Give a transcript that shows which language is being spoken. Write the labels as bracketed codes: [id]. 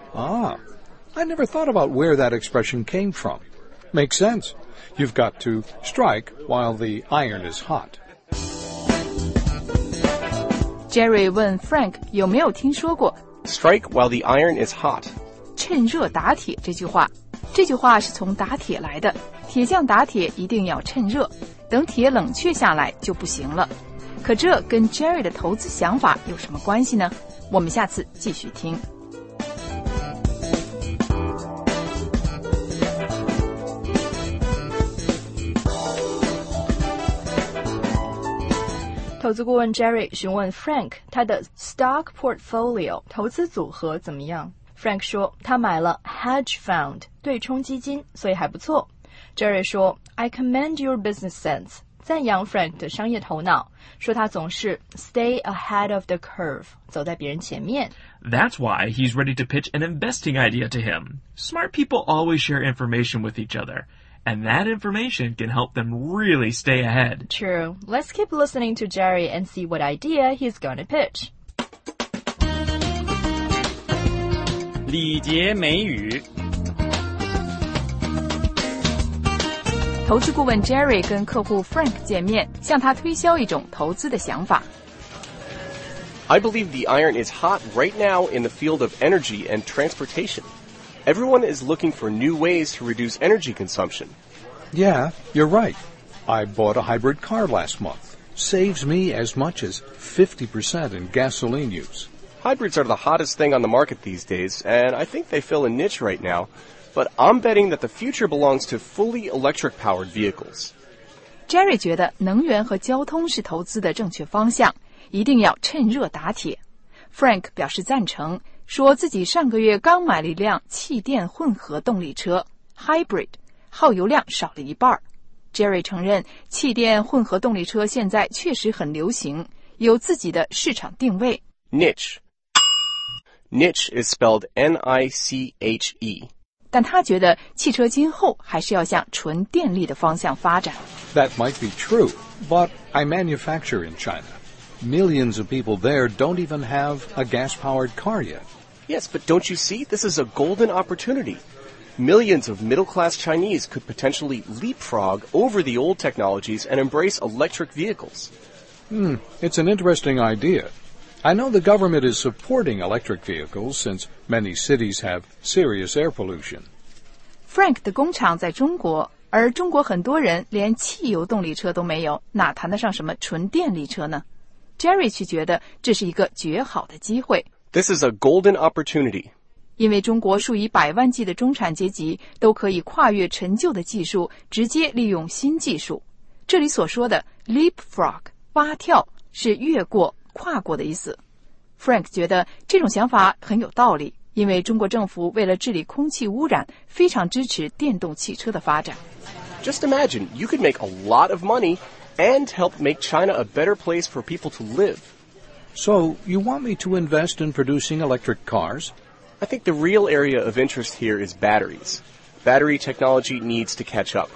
[en] Ah, I never thought about where that expression came from. Makes sense. You've got to strike while the iron is hot. [zh] Jerry 问 Frank 有没有听说过 [en] strike while the iron is hot. [zh] 趁热打铁这句话，这句话是从打铁来的。铁匠打铁一定要趁热，等铁冷却下来就不行了。可这跟 Jerry 的投资想法有什么关系呢？我们下次继续听。投资顾问 Jerry 询问 Frank 他的 stock portfolio 投资组合怎么样。 Frank 说他买了 hedge fund 对冲基金，所以还不错。 Jerry 说 [en] I commend your business sense， [zh] 赞扬 Frank 的商业头脑，说他总是 [en] stay ahead of the curve， [zh] 走在别人前面。 [en] That's why he's ready to pitch an investing idea to him. Smart people always share information with each otherAnd that information can help them really stay ahead. True. Let's keep listening to Jerry and see what idea he's going to pitch. [zh] 礼节美语。投资顾问 Jerry 跟客户 Frank 见面，向他推销一种投资的想法。 [en] I believe the iron is hot right now in the field of energy and transportation. Everyone is looking for new ways to reduce energy consumption. Yeah, you're right. I bought a hybrid car last month. Saves me as much as 50% in gasoline use. Hybrids are the hottest thing on the market these days, and I think they fill a niche right now. But I'm betting that the future belongs to fully electric-powered vehicles. [zh] Jerry 觉得能源和交通是投资的正确方向，一定要趁热打铁。 Frank 表示赞成，说自己上个月刚买了一辆气电混合动力车 ,Hybrid。耗油量少了一半。Jerry 承认气电混合动力车现在确实很流行，有自己的市场定位。 [en] Niche. Niche is spelled N-I-C-H-E. [zh] 但他觉得汽车今后还是要向纯电力的方向发展。 [en] That might be true, but I manufacture in China. Millions of people there don't even have a gas-powered car yet. Yes, but don't you see? This is a golden opportunity. Millions of middle-class Chinese could potentially leapfrog over the old technologies and embrace electric vehicles. It's an interesting idea. I know the government is supporting electric vehicles since many cities have serious air pollution. [zh] Frank 的工厂在中国，而中国很多人连汽油动力车都没有，哪谈得上什么纯电力车呢？ Jerry 却觉得这是一个绝好的机会。 [en] This is a golden opportunity. [zh] 因为中国数以百万计的中产阶级都可以跨越陈旧的技术，直接利用新技术。这里所说的 leapfrog 蛙跳是越过、跨过的意思。 Frank 觉得这种想法很有道理，因为中国政府为了治理空气污染，非常支持电动汽车的发展。 [en] Just imagine, you could make a lot of money and help make China a better place for people to live. So, you want me to invest in producing electric cars? I think the real area of interest here is batteries. Battery technology needs to catch up.